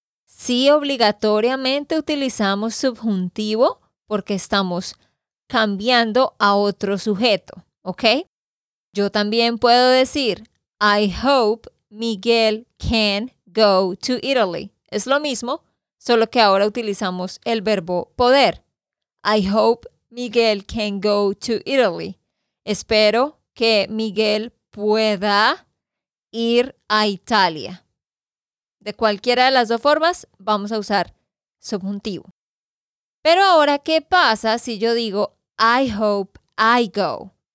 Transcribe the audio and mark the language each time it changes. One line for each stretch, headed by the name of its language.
Spanish: Si obligatoriamente utilizamos subjuntivo, porque estamos cambiando a otro sujeto, ¿ok? Yo también puedo decir,
English: I hope Miguel can go to Italy.
Spanish: Es lo mismo, solo que ahora utilizamos el verbo poder.
English: I hope Miguel can go to Italy.
Spanish: Espero que Miguel pueda ir a Italia. De cualquiera de las dos formas, vamos a usar subjuntivo. Pero ahora, ¿qué pasa si yo digo
English: I hope I go?